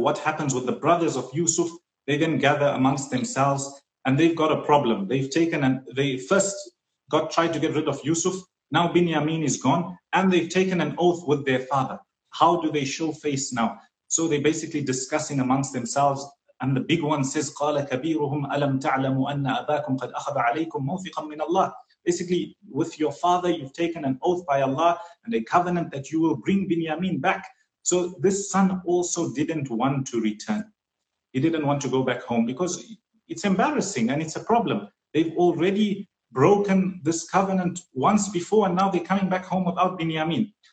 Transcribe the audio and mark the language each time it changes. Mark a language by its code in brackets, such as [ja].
[en] What happens with the brothers of Yusuf? They then gather amongst themselves and they've got a problem. They've taken and they first tried to get rid of Yusuf. Now Binyamin is gone and they've taken an oath with their father. How do they show face now? So they're basically discussing amongst themselves. And the big one says, [ar] قَالَ كَبِيرُهُمْ أَلَمْ تَعْلَمُ أَنَّ أَبَاكُمْ قَدْ أَخَذَ عَلَيْكُمْ مَوْثِقًا مِّنَ اللَّهِ. [en] Basically, with your father, you've taken an oath by Allah and a covenant that you will bring Binyamin back. So this son also didn't want to return. He didn't want to go back home because it's embarrassing and it's a problem. They've already broken this covenant once before and now they're coming back home without Binyamin.